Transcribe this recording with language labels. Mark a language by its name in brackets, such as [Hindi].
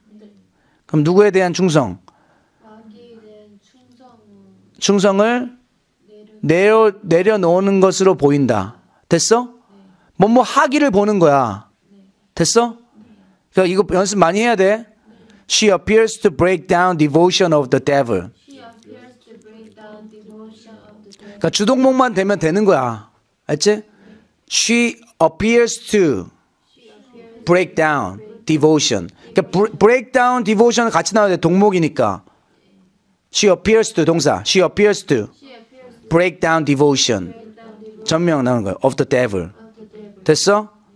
[Korean] 네. 그럼 누구에 대한 충성? 자기에 대한 충성은 충성을 내려놓는 것으로 보인다. 됐어? 뭐뭐 하기를 보는 거야. 됐어? 그러니까 이거 연습 많이 해야 돼. [English] She appears to break down devotion of the devil. She appears to break down devotion of the devil. [Korean] 그러니까 주동목만 되면 되는 거야. [English] 알지? She appears to break down devotion. 그러니까 break down devotion 같이 나와야 돼. 동목이니까. She appears to 동사. She appears to break down devotion. 전명 나오는 거야. Of the devil. 됐어?